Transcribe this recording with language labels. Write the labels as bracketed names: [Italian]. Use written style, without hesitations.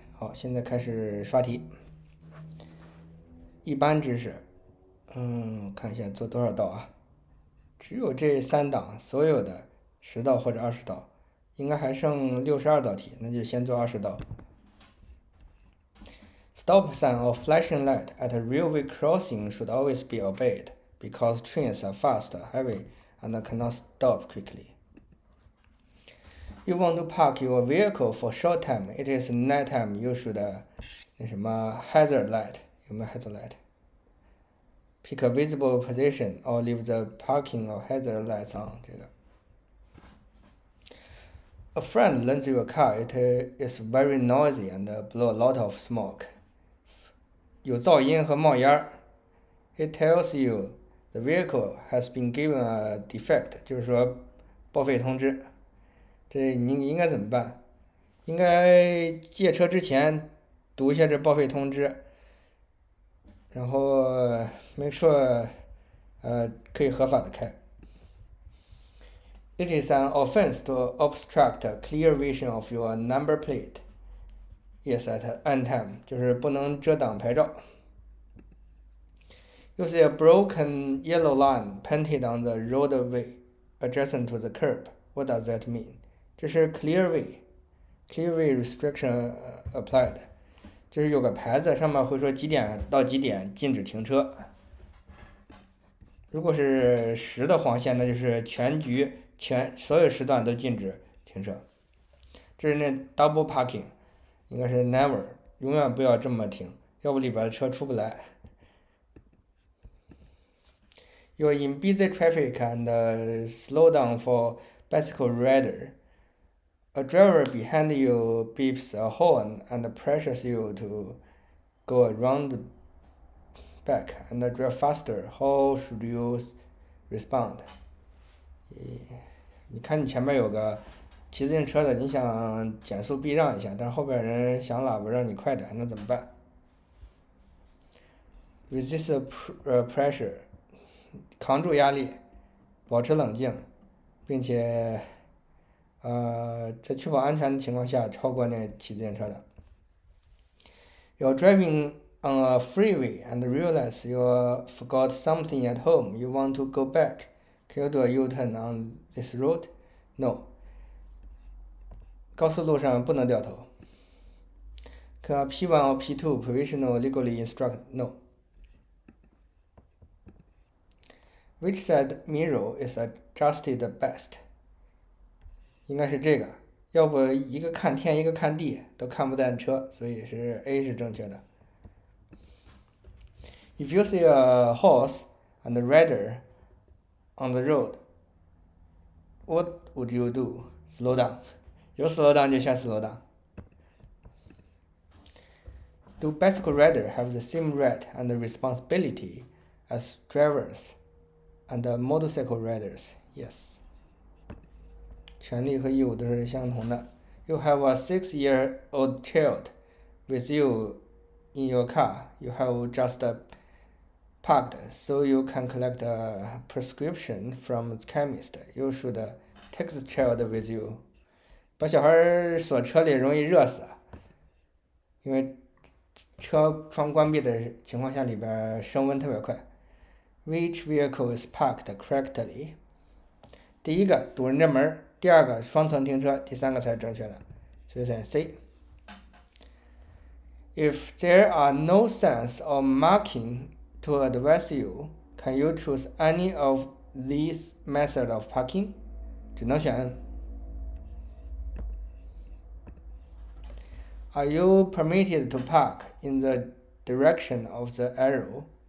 [Chinese] 好，现在开始刷题。一般知识，看一下做多少道啊？只有这三档，所有的10道或者20道，应该还剩62道题，那就先做20道。 [English] Stop sign of flashing light at a railway crossing should always be obeyed because trains are fast, heavy, and cannot stop quickly. You want to park your vehicle for short time. It is night time. You should [Chinese] 那什么 [English] hazard light [Chinese] 有没有 [English] hazard light? Pick a visible position or leave the parking or hazard lights on. [Chinese] 这个。 [English] A friend lends you a car. It is very noisy and blow a lot of smoke. [Chinese] 有噪音和冒烟儿。 [English] He tells you the vehicle has been given a defect， [Chinese] 就是说报废通知。这您应该怎么办？应该借车之前读一下这报废通知，然后没说可以合法的开。 [English] It is an offense to obstruct a clear vision of your number plate. Yes, at any time， [Chinese] 就是不能遮挡牌照。 [English] You see a broken yellow line painted on the roadway adjacent to the curb. What does that mean? [Chinese] 这是 [English] clearway restriction applied， [Chinese] 就是有个牌子，上面会说几点到几点禁止停车。如果是十的黄线，那就是所有时段都禁止停车。这是那 double parking，应该是 never，永远不要这么停，要不里边的车出不来。 [English] You're in busy traffic and slow down for bicycle rider. A driver behind you beeps a horn and pressures you to go around back and drive faster. How should you respond? [Chinese] 你看你前面有个骑自行车的，你想减速避让一下，但是后边人响喇叭让你快点，那怎么办？ [English] Resist pressure。 [Chinese] 扛住压力，保持冷静，并且，在确保安全的情况下超过那骑自行车的。 [English] You're driving on a freeway and realize you forgot something at home. You want to go back. Can you do a U-turn on this road? [Chinese] No. 高速路上不能掉头。 [English] Can a P1 or P2 provisional legally instruct? No. Which side mirror is adjusted best？ [Chinese] 应该是这个，要不一个看天，一个看地，都看不见车，所以是 A 是正确的。 [English] If you see a horse and a rider on the road，what would you do？Slow down，有 slow down 就先 slow down。 Do bicycle rider have the same right and responsibility as drivers？ And motorcycle riders, yes. [Chinese] 权利和义务都是相同的。 [English] You have a six-year-old child with you in your car. You have just parked, so you can collect a prescription from the chemist. You should take the child with you. [Chinese] 把小孩锁车里容易热死，因为车窗关闭的情况下，里边升温特别快。 [English] Which vehicle is parked correctly？ [Chinese] 第一个堵人家门儿，第二个双层停车，第三个才是正确的，所以选 C。 [English] If there are no signs or marking to advise you, can you choose any of these methods of parking？ [Chinese] 只能选 N。 [English] Are you permitted to park in the direction of the arrow？